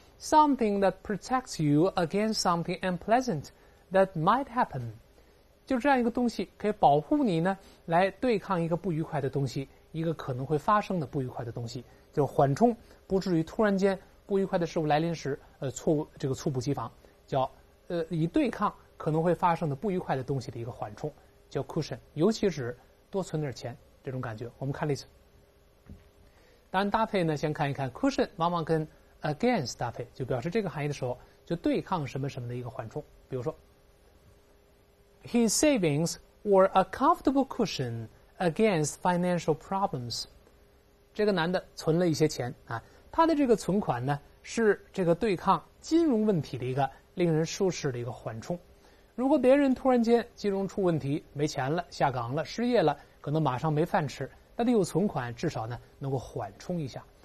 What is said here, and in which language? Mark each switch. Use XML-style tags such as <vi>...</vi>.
<en>Something that protects you against something unpleasant that might happen，</en> <zh>就这样一个东西可以保护你呢，来对抗一个不愉快的东西，一个可能会发生的不愉快的东西，就缓冲，不至于突然间不愉快的事物来临时，猝不及防，叫以对抗可能会发生的不愉快的东西的一个缓冲，叫 cushion， 尤其是多存点钱这种感觉。我们看例子，当然搭配呢，先看一看 cushion 往往跟 against 搭配，就表示这个含义的时候，就对抗什么什么的一个缓冲。比如说</zh> <en>，his savings were a comfortable cushion against financial problems。</en> <zh>这个男的存了一些钱啊。他的这个存款呢，是这个对抗金融问题的一个令人舒适的一个缓冲。如果别人突然间金融出问题，没钱了，下岗了，失业了，可能马上没饭吃，但他有存款，至少呢能够缓冲一下。</zh>